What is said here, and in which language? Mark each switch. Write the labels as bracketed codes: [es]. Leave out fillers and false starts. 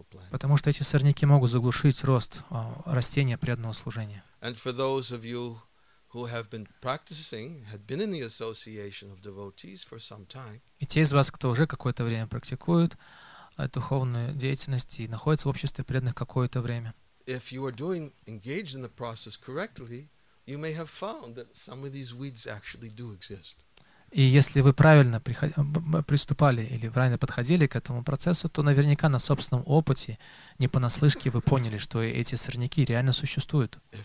[ru] Потому что эти сорняки могут заглушить рост растения преданного служения. И для тех из вас, [en] who have been practicing, had been in the association of devotees for some time. [ru] И те из вас, кто уже какое-то время практикует духовную деятельность и находится в обществе преданных какое-то время. [en] If you are doing engaged in the process correctly, you may have found that some of these weeds actually do exist. [ru] И если вы правильно приступали или правильно подходили к этому процессу, то наверняка на собственном опыте, не понаслышке, вы поняли, что эти сорняки реально существуют.